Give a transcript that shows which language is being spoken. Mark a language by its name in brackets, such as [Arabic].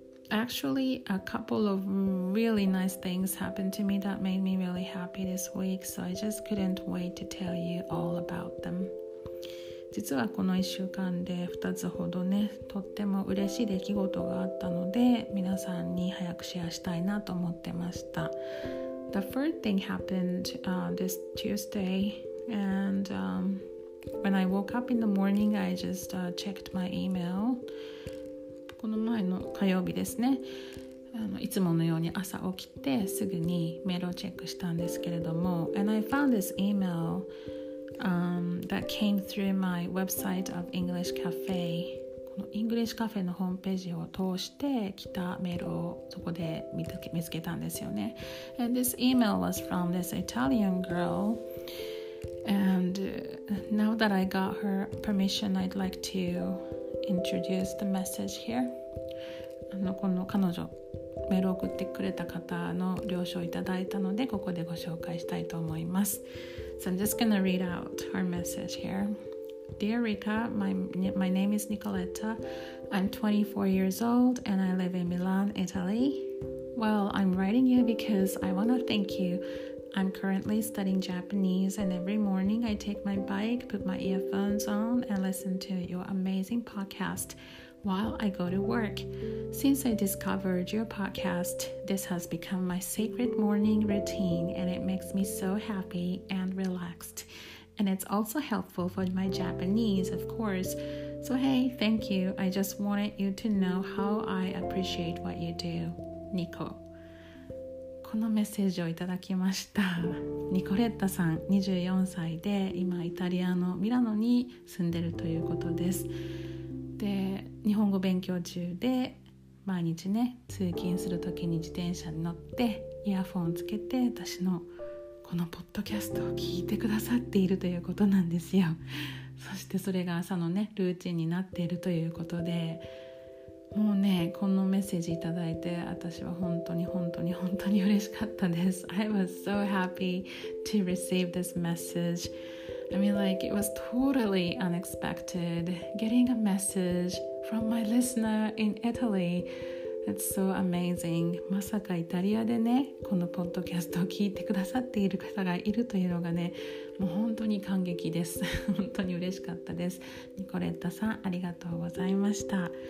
[English] Actually, a couple of really nice things happened to me that made me really happy this week, so I just couldn't wait to tell you all about them. [Japanese] 実はこの1週間で2つほどね、とっても嬉しい出来事があったので、皆さんに早くシェアしたいなと思ってました。 [English] The first thing happened this Tuesday, and when I woke up in the morning, I just checked my email. [Japanese] この前の火曜日ですね。いつものように朝起きてすぐにメールをチェックしたんですけれども、 [English] and I found this email that came through my website of English Cafe. [Japanese] この English Cafe のホームページを通して来たメールをそこで見つけたんですよね。 [English] And this email was from this Italian girl. And now that I got her permission, I'd like to introduce the message here. [Japanese] この彼女、メールを送ってくれた方の了承をいただいたので、ここでご紹介したいと思います。 [English] So I'm just going to read out her message here. Dear Rika, my name is Nicoletta. I'm 24 years old and I live in Milan, Italy. Well, I'm writing you because I want to thank you. I'm currently studying Japanese and every morning I take my bike, put my earphones on and listen to your amazing podcast while I go to work. Since I discovered your podcast, this has become my sacred morning routine and it makes me so happy and relaxed. And it's also helpful for my Japanese, of course. So hey, thank you. I just wanted you to know how I appreciate what you do, Nico. [Japanese] このメッセージをいただきました。ニコレッタさん、24歳で今イタリアのミラノに住んでるということです。で、日本語勉強中で毎日ね、通勤するときに自転車に乗ってイヤフォンをつけて私のこのポッドキャストを聞いてくださっているということなんですよ。そしてそれが朝のね、ルーチンになっているということで、もうね、このメッセージいただいて私は本当に本当に本当に嬉しかったです。 [English] I was so happy to receive this message. I mean, like, it was totally unexpected getting a message from my listener in Italy. That's so amazing. [Japanese] まさかイタリアでね、このポッドキャストを聞いてくださっている方がいるというのがね、もう本当に感激です。本当に嬉しかったです。ニコレッタさん、ありがとうございました。